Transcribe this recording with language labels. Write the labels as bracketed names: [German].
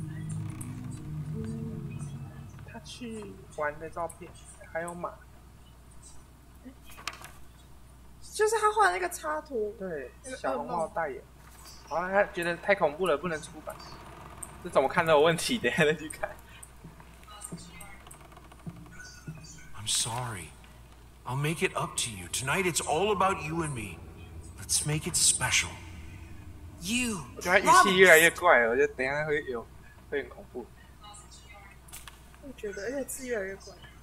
[Chinese] 嗯，他去玩的照片，还有马，就是他画那个插图，对，小红帽代言。好了，他觉得太恐怖了，不能出版。这怎么看都有问题，等一下再去看。 [English] I'm sorry, I'll make it up to you. Tonight it's all about you and me. Let's make it special. You. [Chinese] 我觉得语气越来越怪了，我觉得等一下会很恐怖。我觉得，而且字越来越怪。